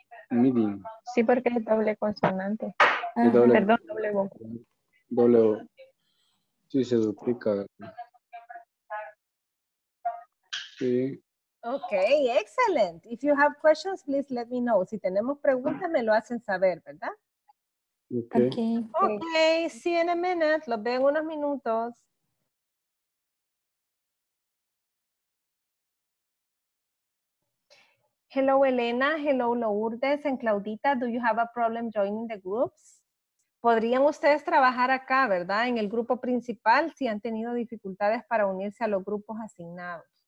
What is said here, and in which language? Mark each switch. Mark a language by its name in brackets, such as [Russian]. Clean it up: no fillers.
[English] Meeting. [Spanish] Sí, porque es doble consonante. Doble, perdón, doble voz. Doble voz. Sí, se duplica. Sí. Ok, excelente. [English] If you have questions, please let me know. [Spanish] Si tenemos preguntas, me lo hacen saber, ¿verdad? Ok. [English] Ok, see you in a minute. [Spanish] Los veo en unos minutos. [English] Hello, Elena. Hello, Lourdes and Claudita. Do you have a problem joining the groups? [Spanish] ¿Podrían ustedes trabajar acá, verdad? En el grupo principal, si han tenido dificultades para unirse a los grupos asignados.